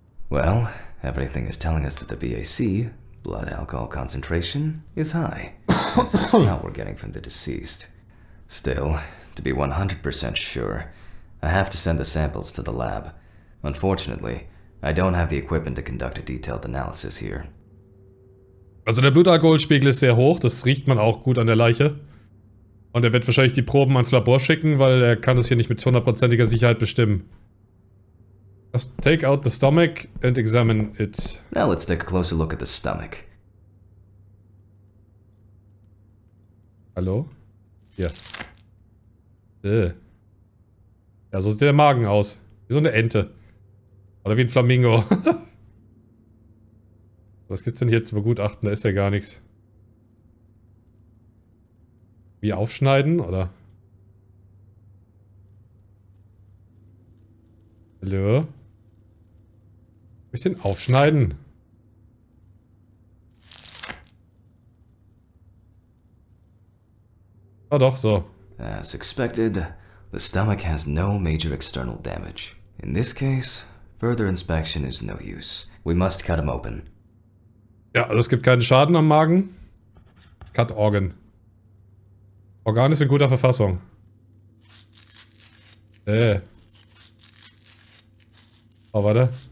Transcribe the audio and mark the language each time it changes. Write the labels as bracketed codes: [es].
[en] Well, everything is telling us that the BAC, blood alcohol concentration, is high. That's the smell we're getting from the deceased. Still, to be 100% sure, I have to send the samples to the lab. Unfortunately, I don't have the equipment to conduct a detailed analysis here. [de] Also der Blutalkoholspiegel ist sehr hoch, das riecht man auch gut an der Leiche. Und er wird wahrscheinlich die Proben ans Labor schicken, weil er kann es hier nicht mit 100%iger Sicherheit bestimmen. [en] Just take out the stomach and examine it. Now let's take a closer look at the stomach. [de] Hallo? Hier. Ja, so sieht der Magen aus. Wie so eine Ente. Oder wie ein Flamingo. Was gibt's denn hier zu begutachten? Da ist ja gar nichts. Wie aufschneiden, oder? Hallo? Bisschen aufschneiden. Ah, doch, so. [en] As expected, the stomach has no major external damage. In this case, further inspection is no use. We must cut him open. [de] Ja, also es gibt keinen Schaden am Magen. [en] Cut organ. [de] Organ ist in guter Verfassung. Oh, warte.